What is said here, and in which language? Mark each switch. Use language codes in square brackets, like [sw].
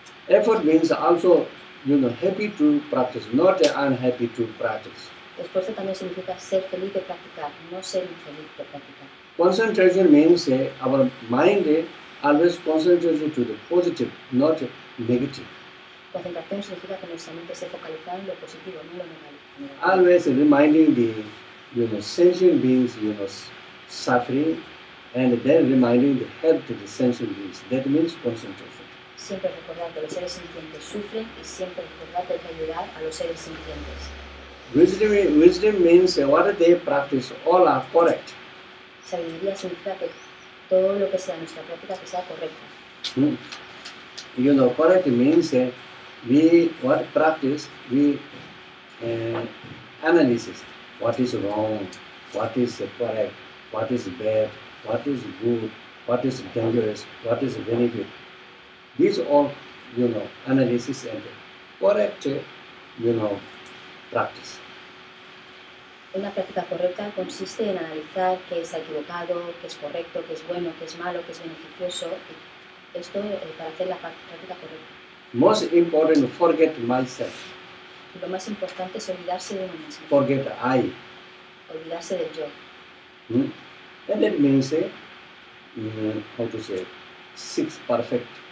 [en] Effort means also, you know, happy to practice, not unhappy to practice. [es] Esfuerzo también significa ser feliz de practicar, no ser infeliz de practicar. [en] Concentration means our mind always concentrated to the positive, not negative. [es] Concentración significa que nuestra mente se focaliza en lo positivo, no lo negativo. [en] Always reminding the, you know, sentient beings, you know, suffering, and then reminding the help to the sentient beings. That means concentration. [es] Siempre recordar que los seres sintientes sufren y siempre recordar que hay que ayudar a los seres sintientes. [en] Wisdom means what they practice all are correct. [es] Sabiduría significa que todo lo que sea nuestra práctica que sea correcta. [en] You know, correct means we what practice we analysis what is wrong, what is correct, what is bad, what is good, what is dangerous, what is benefit. These all, you know, analysis and correct, you know, practice. [es] Una práctica correcta consiste en analizar qué es equivocado, qué es correcto, qué es bueno, qué es malo, qué es beneficioso. Esto para hacer la práctica correcta. [en] Most important, forget myself. [es] Lo más importante es olvidarse de uno mismo. [en] Forget I. [es] Olvidarse del yo. [en] And that means, how to say, six perfect.